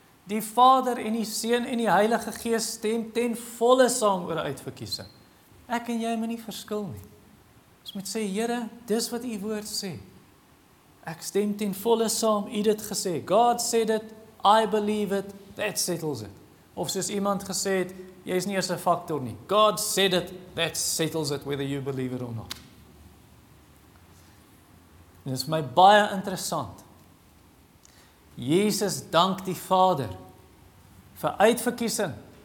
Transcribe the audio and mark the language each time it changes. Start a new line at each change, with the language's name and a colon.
Afrikaans: Die Vader en die Seun en die Heilige Gees stem ten volle saam oor uitverkiesing. Ek en jy moet nie verskil nie. Ons moet sê, Here, dis wat U woord sê. Ek stem ten volle saam, U dit gesê. God sê dit,
English: I believe it, that settles it.
Afrikaans: Of soos iemand gesê het, jy is nie eers 'n faktor nie. God sê dit,
English: that settles it, whether you believe it or not.
Afrikaans: En dit is my baie interessant. Jesus dank die Vader vir uitverkiesing.